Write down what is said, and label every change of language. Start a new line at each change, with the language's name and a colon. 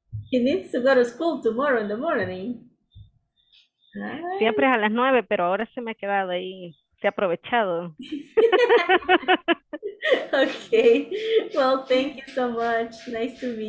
English: He needs to go to school tomorrow in the morning. Bye.
Spanish: Siempre es a las 9, pero ahora se me ha quedado ahí. Se ha aprovechado.
English: Okay. Well, thank you so much. Nice to meet